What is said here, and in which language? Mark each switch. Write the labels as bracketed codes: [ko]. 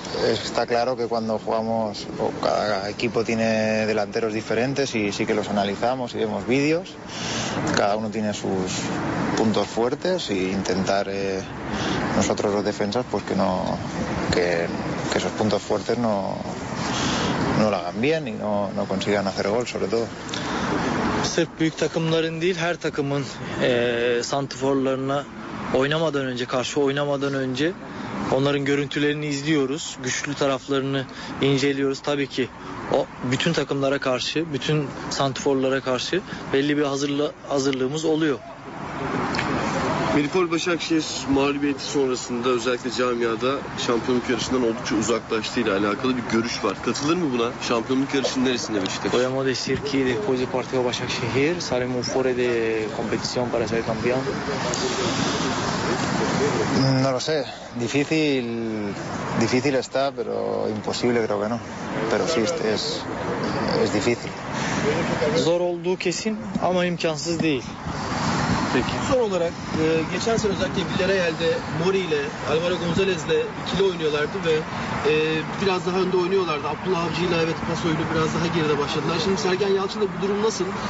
[es] Está claro que cuando jugamos, cada equipo tiene delanteros diferentes y sí que los analizamos y vemos vídeos. Cada uno tiene sus puntos fuertes e intentar nosotros los defensas pues que no que esos puntos fuertes no lo hagan bien y no consigan hacer gol sobre todo. [tr] Sırf büyük takımların değil, her takımın santraforlarına oynamadan önce, karşı oynamadan önce onların görüntülerini izliyoruz, güçlü taraflarını inceliyoruz. Tabii ki o bütün takımlara karşı, bütün santraforlara karşı belli bir hazırlığımız oluyor. Milfol Başakşehir mağlubiyeti sonrasında özellikle camiada şampiyonluk yarışından oldukça uzaklaştığı ile alakalı bir görüş var. Katılır mı buna? Şampiyonluk yarışının neresinde Beşiktaş? Oya mode sirki de pozi partiga Başakşehir, sarem un fore de competición para ser campeón. [es] No lo sé, difícil, difícil está, pero imposible creo que no. Pero sí, es difícil. [tr] Zor olduğu kesin ama imkansız değil. Peki. Son olarak geçen sene özellikle Villarreal'de Mori ile Alvaro González ile ikili oynuyorlardı ve biraz daha önde oynuyorlardı. Abdullah Avcı ile evet pas oyunu biraz daha geride başladılar. Şimdi Sergen Yalçın'da bu durum nasıl?